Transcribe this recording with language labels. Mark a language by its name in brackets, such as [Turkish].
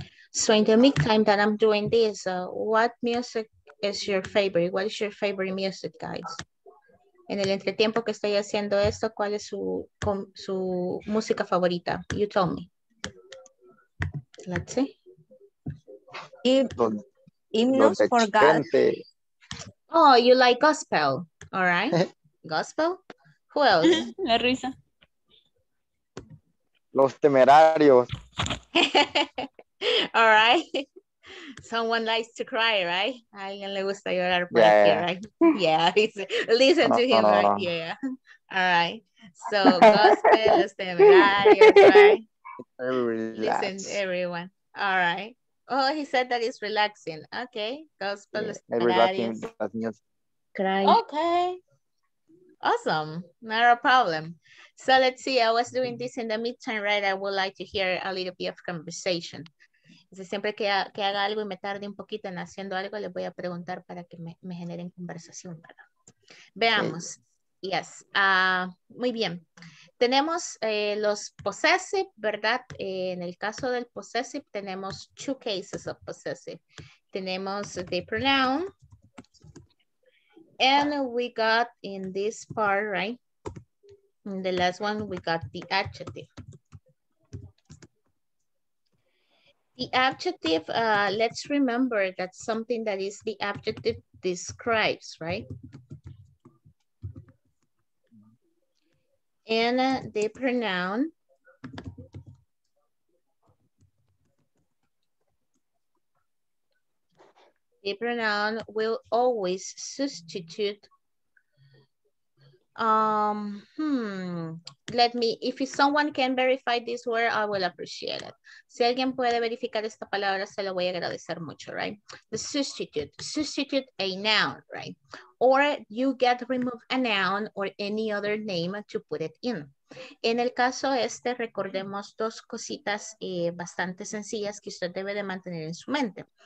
[English] So in the meantime that I'm doing this, what music is your favorite? What is your favorite music, guys? [Spanish] En el entretiempo que estoy haciendo esto, ¿cuál es su música favorita? [English] You tell me. Let's see. Hymnos for God. Oh, you like gospel. All right. Gospel? Who else? [Spanish] La risa. Los Temerarios. [English] All right. Someone likes to cry, right? [Spanish] A alguien le gusta llorar por aquí, [English] right? Yeah. Listen to him right here. Yeah. All right. So, gospel, Los Temerarios, right? Listen, everyone. All right. Oh, he said that it's relaxing. Okay. Gospel, Los Temerarios. Cry. Okay. Awesome. Not a problem. So let's see, I was doing this in the midterm, right? I would like to hear a little bit of conversation. [Spanish] Siempre que haga algo y me tarde un poquito en haciendo algo, les voy a preguntar para que me generen conversación. Veamos. [English] Yes. [Spanish] Muy bien. Tenemos los possessive, ¿verdad? En el caso del possessive, tenemos [English] two cases of possessive. [Spanish] Tenemos [English] the pronoun. And we got in this part, right? In the last one, we got the adjective. The adjective, let's remember that something that is the adjective describes, right? And the pronoun. The pronoun will always substitute let me, if someone can verify this word, I will appreciate it. [Spanish] Si alguien puede verificar esta palabra, se lo voy a agradecer mucho, [English] right? The substitute. Substitute a noun, right? Or you get remove a noun or any other name to put it in. [Spanish] En el caso este, recordemos dos cositas bastante sencillas que usted debe de mantener en su mente.